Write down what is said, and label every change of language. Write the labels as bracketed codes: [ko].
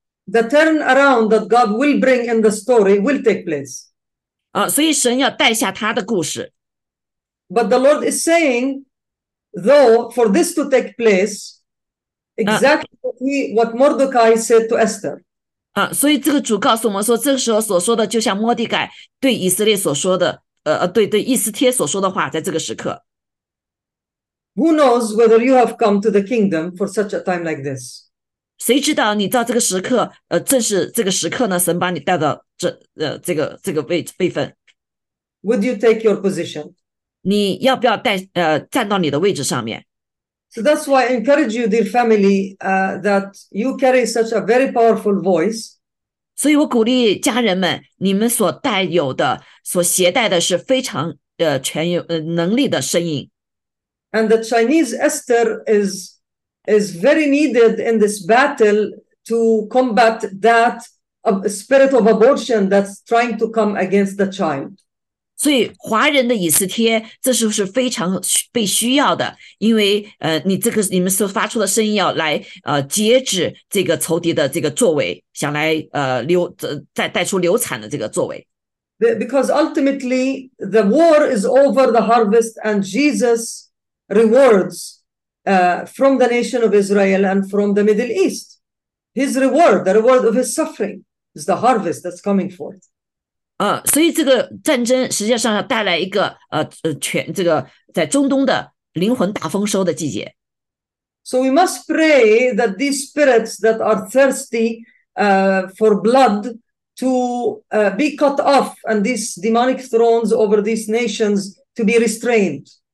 [en] The turnaround that God will bring in the story will take place. [zh] 所以神要带下他的故事。 [en] But the Lord is saying, though, for this to take place, exactly what Mordecai said to Esther. [zh] 所以这个主告诉我们说，这个时候所说的，就像摩底盖对以色列所说的，对以斯帖所说的话，在这个时刻。 [en] Who knows whether you have come to the kingdom for such a time like this? [zh] 谁知道你到这个时刻，正是这个时刻呢？神把你带到这个位分。 [en] Would you take your position? [zh] 你要不要站到你的位置上面 [en] ？So that's why I encourage you, dear family, that you carry such a very powerful voice. [zh] 所以我鼓励家人们，你们所带有的、所携带的是非常全有能力的声音。 [en] And the Chinese Esther is very needed in this battle to combat that spirit of abortion that's trying to come against the child. [zh] 所以华人的以斯帖，这时候是非常被需要的，因为你们所发出的声音要来截止这个仇敌的这个作为，想来带出流产的这个作为。 [en] Because ultimately the war is over the harvest and Jesus. Rewards from the nation of Israel and from the Middle East. His reward, the reward of his suffering, is the harvest that's coming forth. [zh] 所以这个战争实际上要带来一个全这个在中东的灵魂大丰收的季节。 [en] So we must pray that these spirits that are thirsty for blood to be cut off and these demonic thrones over these nations to be restrained.